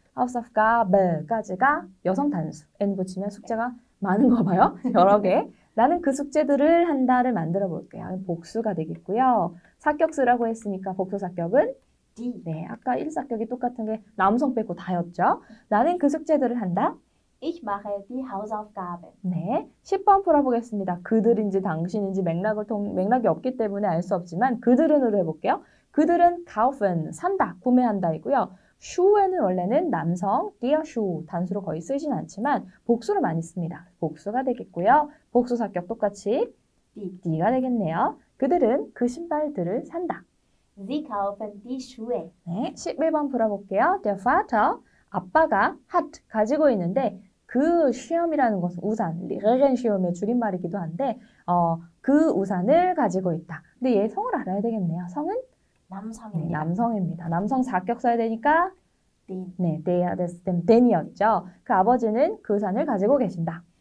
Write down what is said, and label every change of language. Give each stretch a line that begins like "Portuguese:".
Korean: house of garden까지가 여성 단수. n 붙이면 숙제가 많은 거 봐요. 여러 개. 나는 그 숙제들을 한다를 만들어 볼게요. 복수가 되겠고요. 사격 쓰라고 했으니까 복수 사격은 D. 네, 아까 일사격이 똑같은 게 남성 빼고 다였죠. 나는 그 숙제들을 한다.
German: Ich mache die Hausaufgaben.
Korean: 네, 10번 풀어보겠습니다. 그들인지 당신인지 맥락이 없기 때문에 알 수 없지만 그들은으로 해볼게요. 그들은 kaufen, 산다, 구매한다이고요. Schuhe는 원래는 남성, der Schuh, 단수로 거의 쓰진 않지만 복수로 많이 씁니다. 복수가 되겠고요. 복수 사격 똑같이 D가 되겠네요. 그들은 그 신발들을 산다.
German: Sie kaufen die Schuhe.
Korean: 네, 11번 풀어볼게요. Der Vater, 아빠가 hat 가지고 있는데 그 시험이라는 것은 우산, Regenschirm의 줄임말이기도 한데 그 우산을 가지고 있다. 근데 얘 성을 알아야 되겠네요. 성은? 남성입니다. 네, 남성입니다. 남성 사격 써야 되니까
German: den.
Korean: 네, der, des, dem, den이었죠. 그 아버지는 그 우산을 가지고 계신다.